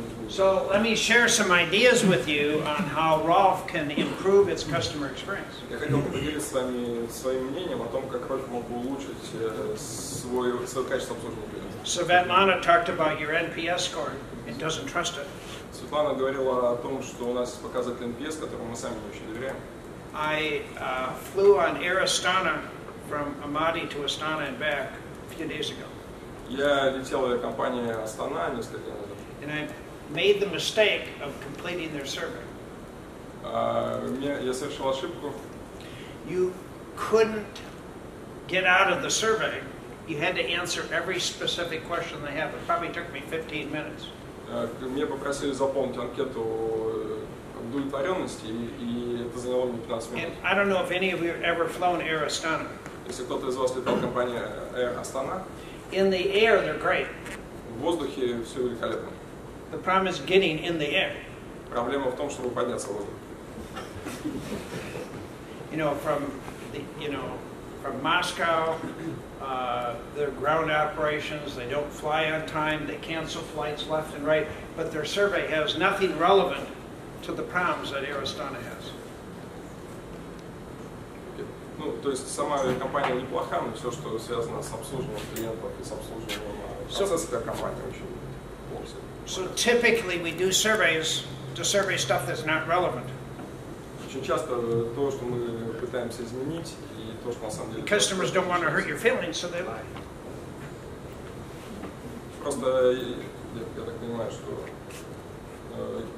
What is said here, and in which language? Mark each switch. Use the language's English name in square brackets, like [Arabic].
[English] So let me share some ideas with you on how Rolf can improve its customer experience. [Russian] Я хотел поделиться с вами своим мнением о том, как Rolf мог улучшить свое качество обслуживания. [English] Светлана talked about your NPS score. It doesn't trust it. [Russian] Светлана говорила о том, что у нас показатель NPS, которому мы сами не очень доверяем. [English] I flew on Air Astana from Amadi to Astana and back a few days ago. [Russian] Я летел авиакомпанией Астана несколько дней назад. [English] And I made the mistake of completing their survey. [Russian] Я совершил ошибку. [English] You couldn't get out of the survey. You had to answer every specific question they have. It probably took me 15 minutes. [Russian] Мне попросили заполнить анкету удовлетворенности, и это заняло мне 15 минут. [English] And I don't know if any of you have ever flown Air Astana. [Russian] Если кто-то из вас летал компания Air Astana. [English] In the air, they're great. [Russian] В воздухе все великолепно. [English] The problem is getting in the air. [Russian] Проблема в том, чтобы подняться в воздух. [English] You know, from the, you know, from Moscow, their ground operations, they don't fly on time, they cancel flights left and right, but their survey has nothing relevant to the problems that Air Astana has. [Russian] Ну, то есть сама компания неплоха, но все, что связано с обслуживанием клиентов и с обслуживанием процесса, как компания, очень плохо. [English] So typically we do surveys to survey stuff that's not relevant. [Russian] Очень часто то, что мы пытаемся изменить, и то, что на самом деле... [English] Customers don't want to hurt your feelings, so they lie. [Russian] Просто я так понимаю, что...